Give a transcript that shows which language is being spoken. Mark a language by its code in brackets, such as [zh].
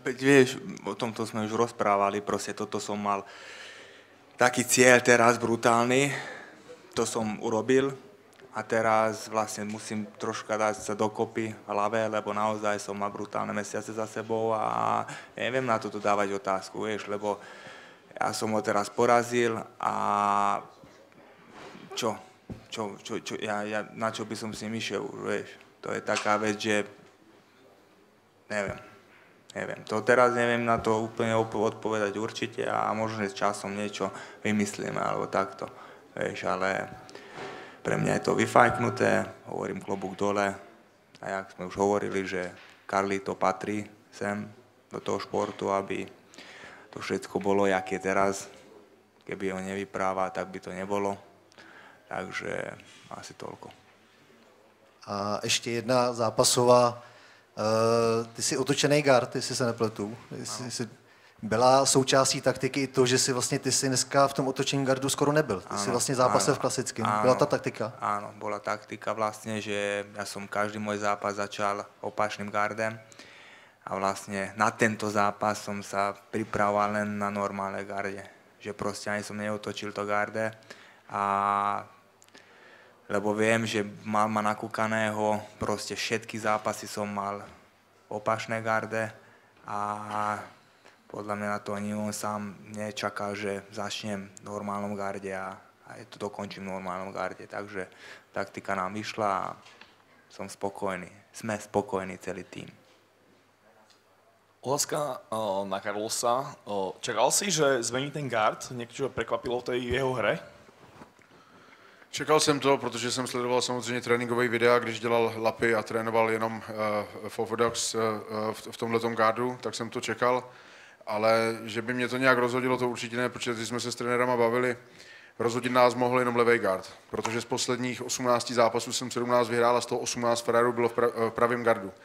[cs] Teď víš, o tomto jsme už [sk] rozprávali, [cs] prostě toto jsem [sk] mal taký cíl teraz [cs] brutální, to jsem [sk] urobil a teraz [cs] vlastně musím troška dát se dokopy hlavě, [sk] lebo naozaj jsem mal [cs] brutální měsíce za sebou a nevím na toto dávat otázku, víš, lebo já jsem ho teraz porazil [sk] a čo? Já na čo by som s ním išiel, vieš, to je taká vec, že neviem, to teraz neviem na to úplne odpovedať určite a možno s časom niečo vymyslíme alebo takto, vieš, ale pre mňa je to vyfajknuté, hovorím klobúk dole a jak sme už hovorili, že Karli to patrí sem do toho športu, aby to všetko bolo, jak je teraz, keby ho nevypráva, tak by to nebolo. Takže asi toľko. [cs] A ještě jedna zápasová. Ty jsi otočený gard, jestli se nepletu. Jsi byla součástí taktiky i to, že jsi vlastně ty jsi dneska v tom otočeném gardu skoro nebyl. Ty jsi vlastně zápasil v klasickém. Byla ta taktika? Ano, byla taktika vlastně, že já jsem každý můj zápas začal opačným gardem. A vlastně na tento zápas jsem se připravoval jen na normální garde. Že prostě ani jsem neotočil to garde. [sk] A lebo viem, že mal ma nakúkaného, proste všetky zápasy som mal opačné garde a podľa mňa na to ani on sám nečakal, že začnem v normálnom garde a to dokončím v normálnom garde. Takže taktika nám vyšla a som spokojný. Sme spokojní celý tým. Otázka na Carlosa. Čakal si, že zmení ten gard? Niečo prekvapilo v tej jeho hre? [cs] Čekal jsem to, protože jsem sledoval samozřejmě tréninkové videa, když dělal lapy a trénoval jenom Fofodox v tomhletom gardu, tak jsem to čekal. Ale že by mě to nějak rozhodilo, to určitě ne, protože když jsme se s trenérama bavili, rozhodit nás mohl jenom levej gard, protože z posledních 18 zápasů jsem 17 vyhrál a z toho 18 Ferrari bylo v pravém gardu.